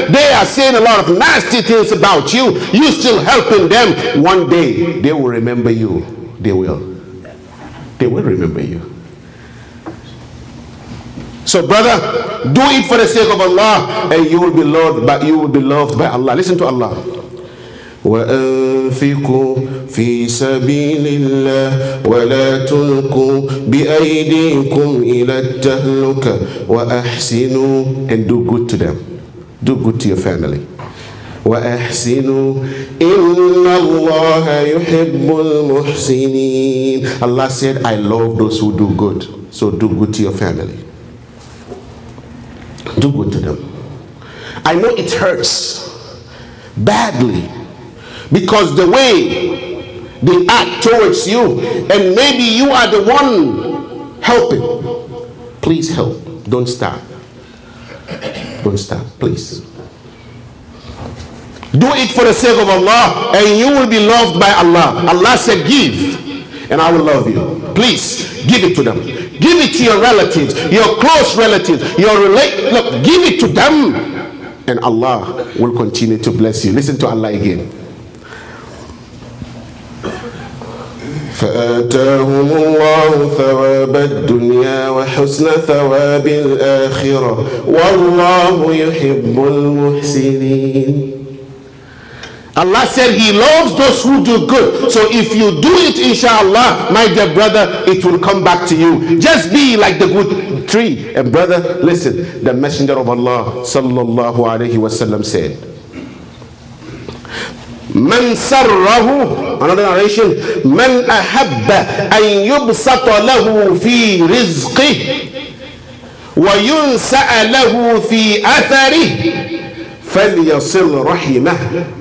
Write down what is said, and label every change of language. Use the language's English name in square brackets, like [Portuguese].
[English] They are saying a lot of nasty things about you. You still helping them. One day, they will remember you. They will. They will remember you. So brother, do it for the sake of Allah, and you will be loved by, you will be loved by Allah. Listen to Allah. [Arabic] وأنفقوا في سبيل الله ولا تلقوا بأيديكم إلى التهلكة وأحسنوا. [English] And do good to them. Do good to your family. [Arabic] وأحسنوا إن الله يحب المحسنين. [English] Allah said, I love those who do good. So do good to your family. Do good to them. I know it hurts badly because the way they act towards you, and maybe you are the one helping. Please help. Don't stop. Don't stop. Please. Do it for the sake of Allah, and you will be loved by Allah. Allah said, give, and I will love you. Please, give it to them. Give it to your relatives, your close relatives, your relatives. Look, give it to them, and Allah will continue to bless you. Listen to Allah again. [Arabic] فآتاهم الله ثواب الدنيا وحسن ثواب الآخرة والله يحب المحسنين. [English] Allah said he loves those who do good. So if you do it, inshallah, my dear brother, it will come back to you. Just be like the good tree. And brother, listen, the messenger of Allah sallallahu alayhi wasallam said, [Arabic] من سره, [English] another narration, [Arabic] من أحب أن يبسط له في رزقه وينسأ له في أثره فليصل رحمه.